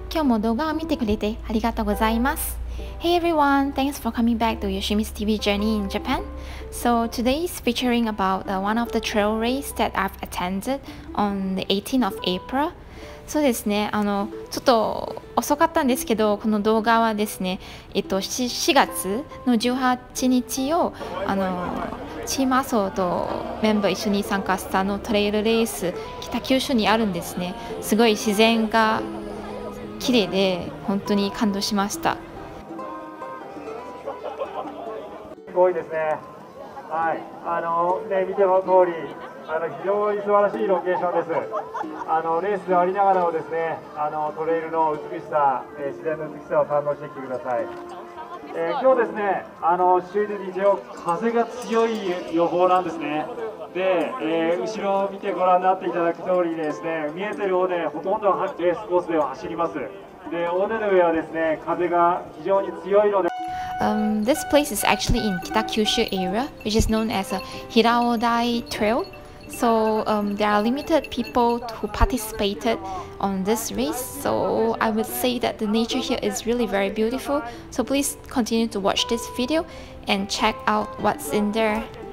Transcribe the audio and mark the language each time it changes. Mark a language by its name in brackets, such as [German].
[Japanese] 今日も動画を見てくれてありがとうございます。 [English] Hey everyone, thanks for coming back to Yoshimi's TV Journey in Japan. So today is featuring about one of the trail race that I've attended on the 18th of April. [Japanese] そうですね、ちょっと遅かったんですけど、この動画はですね、4月の18日をチームアソーとメンバー一緒に参加したトレイルレース、北九州にあるんですね。すごい自然が綺麗で本当に感動しました。すごいですね。はい、ね、見ての通り非常に素晴らしいロケーションです。レースでありながらもですね、トレイルの美しさ、自然の美しさを堪能してきてください。今日ですね、周囲で風が強い予報なんですね。で、後ろを見てご覧になっていただく通りですね、見えている尾根ほとんどはレースコースでは走ります。で、尾根の上はですね、風が非常に強いので、 [English] This place is actually in Kitakyushu area, which is known as a Hiraodai Trail. So, there are limited people who participated on this race. So, I would say that the nature here is really very beautiful. So, please continue to watch this video and check out what's in there.